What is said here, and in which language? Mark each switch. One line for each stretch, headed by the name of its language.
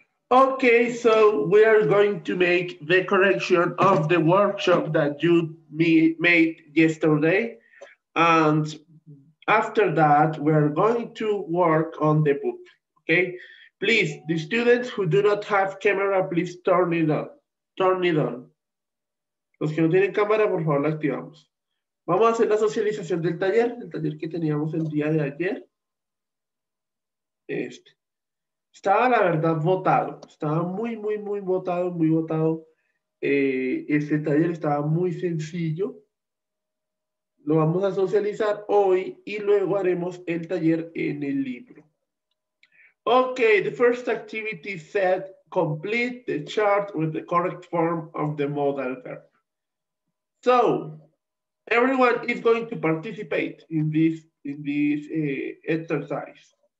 English: Okay, so we are going to make the correction of the workshop that you made yesterday. And after that, we are going to work on the book, okay? Please, the students who do not have camera, please turn it on.
Spanish: Los que no tienen cámara, por favor, la activamos. Vamos a hacer la socialización del taller, el taller que teníamos el día de ayer. Este. Estaba, la verdad, botado. Estaba muy, muy, muy botado, muy botado. Este taller estaba muy sencillo. Lo vamos a socializar hoy y luego haremos el taller en el libro.
English: Okay, the first activity said, complete the chart with the correct form of the modal verb. So, everyone is going to participate in this exercise.